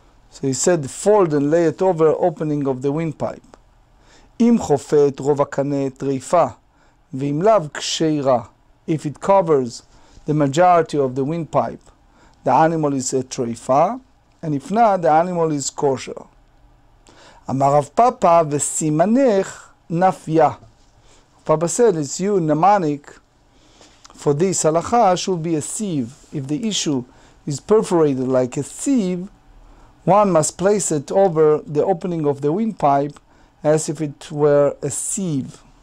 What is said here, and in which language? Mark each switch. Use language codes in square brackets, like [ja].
[en] So he said, fold and lay it over opening of the windpipe. [he] אם חופה את רוב הקנה טריפה, ואם לאו כשירה, [en] if it covers the majority of the windpipe, the animal is a טריפה, and if not, the animal is kosher. [he] אמר רב פאפה וסימנך נפיה. [en] Papa said, it's you, mnemonic, for this halakha should be a sieve. If the issue is perforated like a sieve, one must place it over the opening of the windpipe as if it were a sieve.